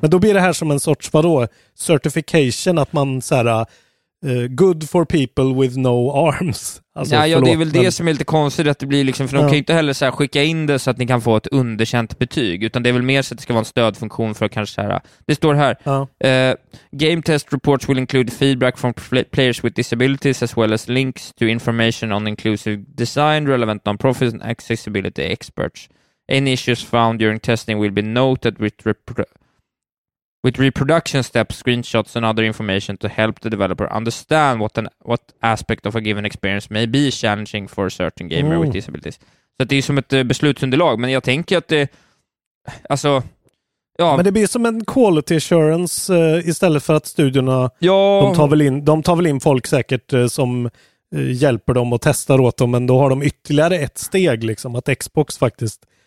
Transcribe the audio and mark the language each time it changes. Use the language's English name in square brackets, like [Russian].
[Swedish] Men då blir det här som en sorts, vadå, certification, att man så här, [English] good for people with no arms. [Swedish] Alltså, ja, förlåt, det är väl det som är lite konstigt, att det blir liksom, för de kan ju inte heller så här skicka in det så att ni kan få ett underkänt betyg, utan det är väl mer så att det ska vara en stödfunktion för att kanske så här. Det står här, [English] game test reports will include feedback from players with disabilities as well as links to information on inclusive design, relevant non-profit and accessibility experts. Any issues found during testing will be noted with reproduction steps, screenshots and other information to help the developer understand what aspect of a given experience may be challenging for a certain gamer with disabilities. [Swedish] Så det är som ett beslutsunderlag, men jag tänker att det, alltså, ja. Men det blir som en quality assurance istället för att studierna, de tar väl in folk säkert som hjälper dem och testar åt dem, men då har de ytterligare ett steg liksom, att Xbox faktiskt.